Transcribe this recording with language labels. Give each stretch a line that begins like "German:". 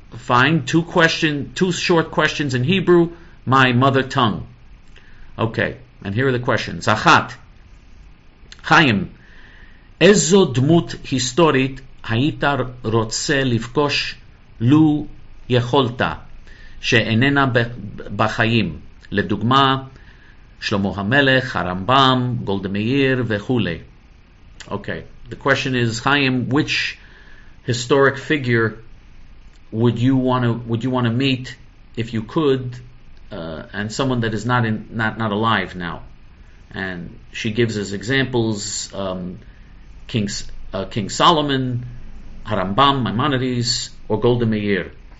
English: Fine, two short questions in Hebrew, my mother tongue. Okay, and here are the questions.
Hebrew: Achat, Chaim, איזו דמות היסטורית היית רוצה לפגוש לו יכולת שאיננה בחיים? לדוגמה, שלמה המלך, הרמב״ם, גולדה מאיר וכולי.
English: Okay, the question is, Chaim, which historic figure would you want to meet if you could? And someone that is not alive now, and she gives us examples: King Solomon, Harambam, Maimonides, or Golda Meir.